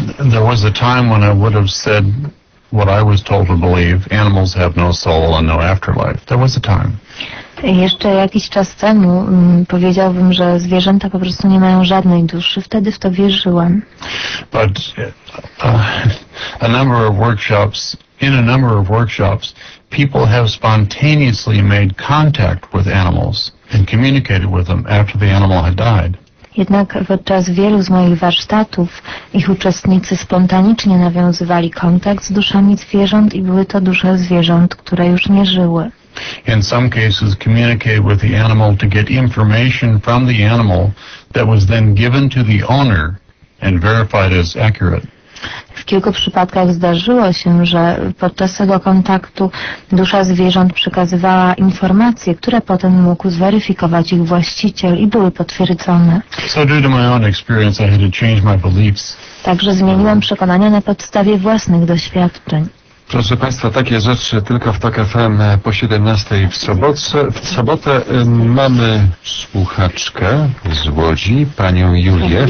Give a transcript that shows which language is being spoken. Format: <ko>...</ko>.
<en>There was a time when I would have said what I was told to believe, animals have no soul and no afterlife. There was a time.</en> <pl>Jeszcze jakiś czas temu powiedziałbym, że zwierzęta po prostu nie mają żadnej duszy. Wtedy w to wierzyłam.</pl> <en>But a number of workshops, in a number of workshops, people have spontaneously made contact with animals and communicated with them after the animal had died.</en> <pl>Jednak podczas wielu z moich warsztatów ich uczestnicy spontanicznie nawiązywali kontakt z duszami zwierząt i były to dusze zwierząt, które już nie żyły.</pl> <en>In some cases communicated with the animal to get information from the animal that was then given to the owner and verified as accurate.</en> <pl>W kilku przypadkach zdarzyło się, że podczas tego kontaktu dusza zwierząt przekazywała informacje, które potem mógł zweryfikować ich właściciel i były potwierdzone.</pl> <en>So due to my own experience, I had to change my beliefs.</en> <pl>Także zmieniłam przekonania na podstawie własnych doświadczeń. Proszę Państwa, takie rzeczy tylko w TOK FM po 17 w sobotę. W sobotę mamy słuchaczkę z Łodzi, panią Julię.</pl>